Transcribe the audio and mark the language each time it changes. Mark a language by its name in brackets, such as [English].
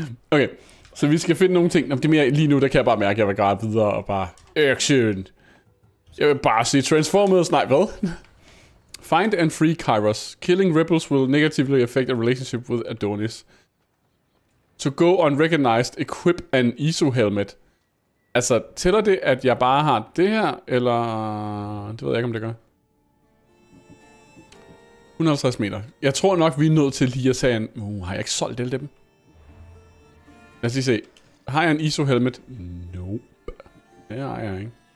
[Danish] Okay, så vi skal finde nogle ting. Nå, det mere lige nu, der kan jeg bare mærke, at jeg vil grave videre og bare... Action! Jeg vil bare sige Transformers, nej, hvad? [English] Find and free Kairos. Killing rebels will negatively affect a relationship with Adonis. To go unrecognized, equip an ISO helmet. [Danish] Altså, tæller det, at jeg bare har det her, eller... Det ved jeg ikke, om det gør. 150 meter. Jeg tror nok, vi er nødt til lige at sige, har jeg ikke solgt alle dem? Lad os lige se. Har jeg en ISO helmet? Nope. Det har jeg ikke.